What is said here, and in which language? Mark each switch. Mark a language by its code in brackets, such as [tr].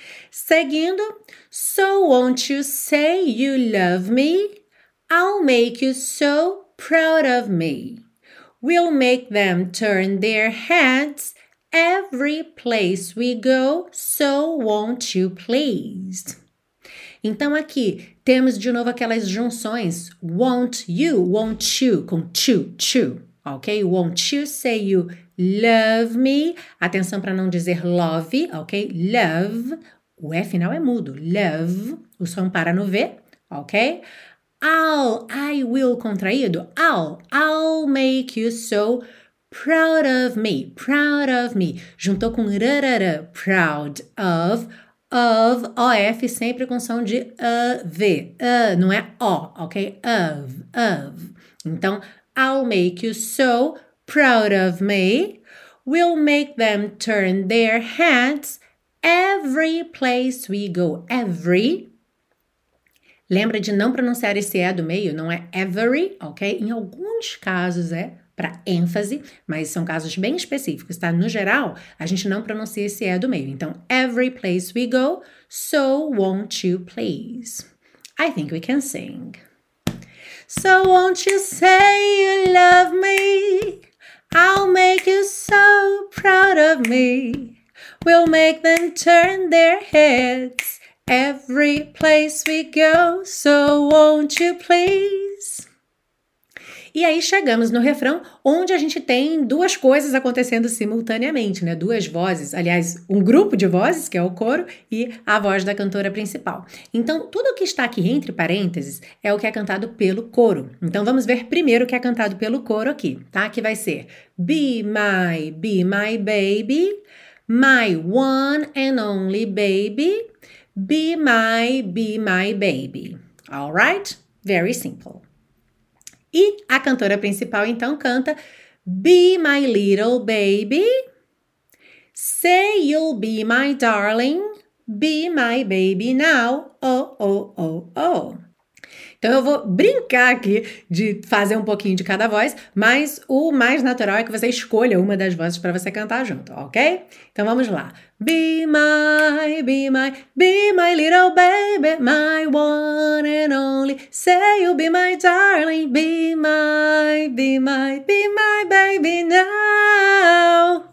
[pt] Seguindo, [en] so won't you say you love me? I'll make you so proud of me. We'll make them turn their heads every place we go, so won't you please? [pt] Então aqui temos de novo aquelas junções [en] won't you [pt] com to, ok? [en] Won't you say you love me? [pt] Atenção para não dizer love, ok? Love, o E final é mudo, love, o som para no V, ok? [en] I will [pt] contraído. [en] I'll make you so proud of me. Proud of me. [pt] Juntou com rarara. [en] Proud of. [pt] OF sempre com som de V. Não é O, ok? Of. Então, [en] I'll make you so proud of me. We'll make them turn their heads every place we go. Every. [pt] Lembra de não pronunciar esse E do meio, não é every, ok? Em alguns casos é para ênfase, mas são casos bem específicos, tá? No geral, a gente não pronuncia esse E do meio. Então, [en] every place we go, so won't you please? I think we can sing. So won't you say you love me? I'll make you so proud of me. We'll make them turn their heads. Every place we go, so won't you please? [pt] E aí chegamos no refrão, onde a gente tem duas coisas acontecendo simultaneamente, né? Duas vozes, aliás, um grupo de vozes, que é o coro, e a voz da cantora principal. Então, tudo o que está aqui entre parênteses é o que é cantado pelo coro. Então, vamos ver primeiro o que é cantado pelo coro aqui, tá? Que vai ser [en] be my baby, my one and only baby. Be my baby. All right? Very simple. [pt] E a cantora principal então canta: [en] Be my little baby. Say you'll be my darling. Be my baby now. Oh. [pt] Então eu vou brincar aqui de fazer um pouquinho de cada voz, mas o mais natural é que você escolha uma das vozes para você cantar junto, ok? Então vamos lá. [en] Be my little baby, my one and only. Say you'll be my darling, be my baby now.